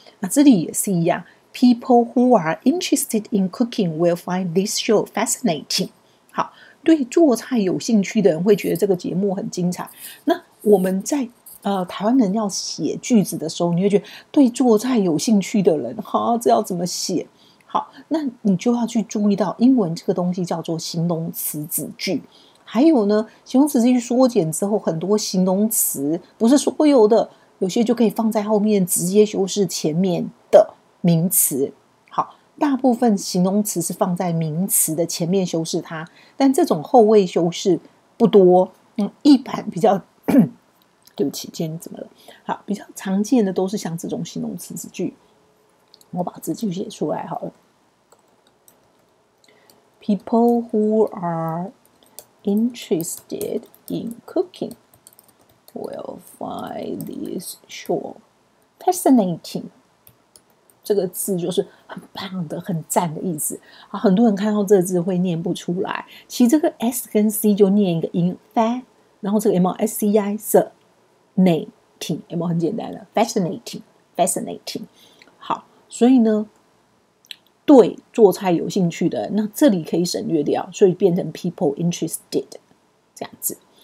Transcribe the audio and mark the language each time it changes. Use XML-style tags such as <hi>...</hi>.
<zh>那这里也是一样，</zh> <en>people who are interested in cooking will find this show fascinating。</en> <zh>好，对做菜有兴趣的人会觉得这个节目很精彩。那我们在台湾人要写句子的时候，你会觉得对做菜有兴趣的人，好，这要怎么写？好，那你就要去注意到英文这个东西叫做形容词子句。还有呢，形容词子句缩减之后，很多形容词不是所有的，有些就可以放在后面直接修饰前面的名词。好，大部分形容词是放在名词的前面修饰它，但这种后位修饰不多。一般比较对不起，今天怎么了？好，比较常见的都是像这种形容词子句，我把字句写出来好了。</zh> <en>People who are interested in cooking will find this show fascinating。</en> <zh>这个字就是很棒的、很赞的意思。好，很多人看到这个字会念不出来，其实这个 S 跟 C 就念一个音 fa， 然后这个 M S C I 色。 Fascinating， 有没有很简单的 fascinating。好，所以呢，对做菜有兴趣的，那这里可以省略掉，所以变成</zh> <en>people interested</en> <zh>这样子。</zh>